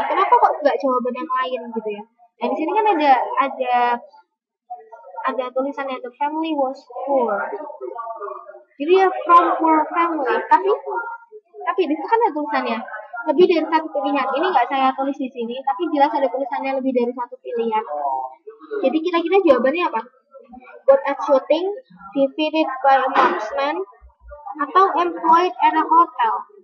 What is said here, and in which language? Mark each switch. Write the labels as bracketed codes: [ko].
[id] Kenapa kok nggak jawaban yang lain gitu ya? Nah, di sini kan ada tulisannya [en] the family was poor. [id] Jadi ya [en] from poor family. [id] Tapi di sini kan ada tulisannya lebih dari satu pilihan. Ini nggak saya tulis di sini, tapi jelas ada tulisannya lebih dari satu pilihan. Jadi kira-kira jawabannya apa? [en] Good at shooting, defeated by a marksman, [id] atau [en] employed at a hotel?